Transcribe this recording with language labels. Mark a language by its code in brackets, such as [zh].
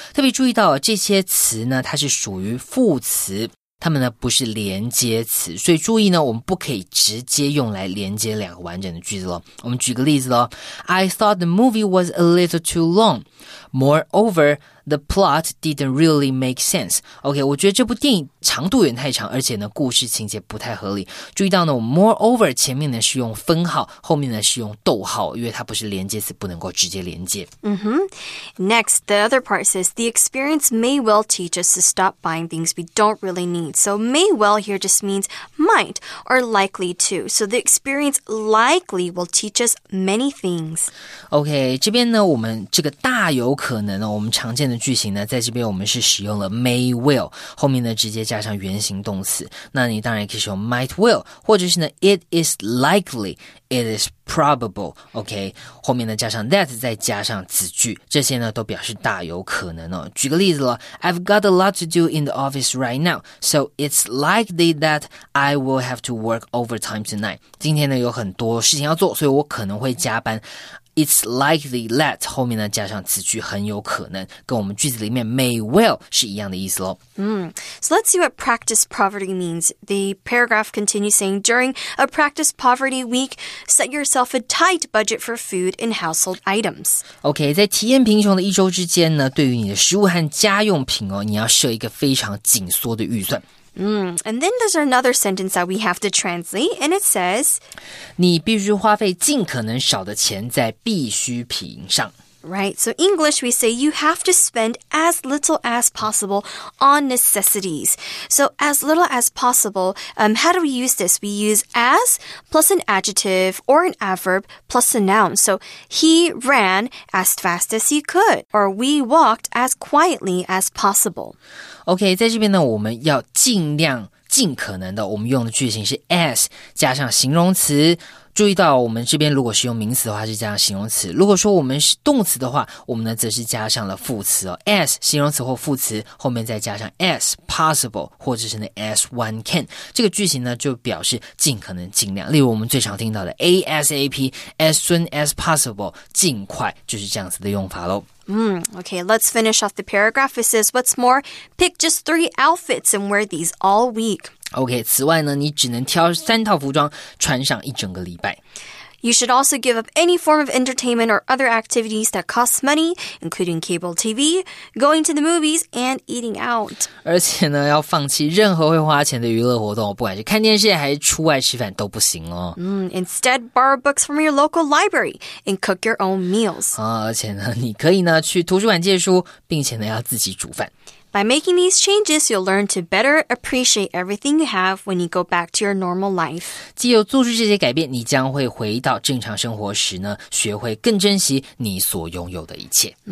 [zh] 特别注意到这些词呢它是属于副词。它们呢不是连接词，所以注意呢，我们不可以直接用来连接两个完整的句子咯。我们举个例子咯。 [en] I thought the movie was a little too long. Moreover, the plot didn't really make sense. [zh] OK, 我觉得这部电影长度有点太长，而且呢故事情节不太合理。注意到呢，我们 moreover 前面呢是用分号，后面呢是用逗号，因为它不是连接词，不能够直接连接。 [en] Next, the other part says, the experience may well teach us to stop buying things we don't really need. So may well here just means might or likely to. So the experience likely will teach us many things. [zh] OK, 这边呢我们这个大有可能呢，我们常见的句型呢在这边我们是使用了 [en] may well, [zh] 后面呢直接加上原形动词，那你当然可以说 [en] might will, [zh] 或者是呢 [en] it is likely, it is probable, [zh] OK, 后面呢加上 that, 再加上子句，这些呢都表示大有可能哦。举个例子了， [en] I've got a lot to do in the office right now, so it's likely that I will have to work overtime tonight. [zh] 今天呢有很多事情要做，所以我可能会加班。 [en] It's likely that [zh] 后面呢加上子句很有可能，跟我们句子里面 [en] may well [zh] 是一样的意思咯。 [en] So let's see what practice poverty means. The paragraph continues saying, during a practice poverty week, set yourself a tight budget for food and household items. [zh] OK, 在体验贫穷的一周之间呢，对于你的食物和家用品哦，你要设一个非常紧缩的预算。 [en] And then there's another sentence that we have to translate, and it says, [zh] 你必须花费尽可能少的钱在必需品上。 [en] Right, so English we say you have to spend as little as possible on necessities. So as little as possible, how do we use this? We use as plus an adjective or an adverb plus a noun. So he ran as fast as he could, or we walked as quietly as possible. [zh] Okay, 在这边呢，我们要尽量尽可能的，我们用的句型是 as 加上形容词。注意到我们这边如果是用名词的话是加上形容词，如果说我们是动词的话，我们呢则是加上了副词哦。 as 形容词或副词后面再加上 [en] as possible [zh] 或者是呢 [en] as one can， [zh] 这个句型呢就表示尽可能尽量，例如我们最常听到的 ASAP [en] as soon as possible [zh] 尽快，就是这样子的用法咯。 [en] Okay, let's finish off the paragraph. It says, what's more, pick just 3 outfits and wear these all week. [zh] Okay, 此外呢，你只能挑三套服装穿上一整个礼拜。 [en] You should also give up any form of entertainment or other activities that cost money, including cable TV, going to the movies, and eating out. [zh] 而且呢，要放弃任何会花钱的娱乐活动，不管是看电视还是出外吃饭都不行哦。 [en] Instead, borrow books from your local library and cook your own meals. [zh] 而且呢，你可以呢去图书馆借书，并且呢要自己煮饭。 [en] By making these changes, you'll learn to better appreciate everything you have when you go back to your normal life. [zh] 既有做出这些改变，你将会回到正常生活时呢，学会更珍惜你所拥有的一切。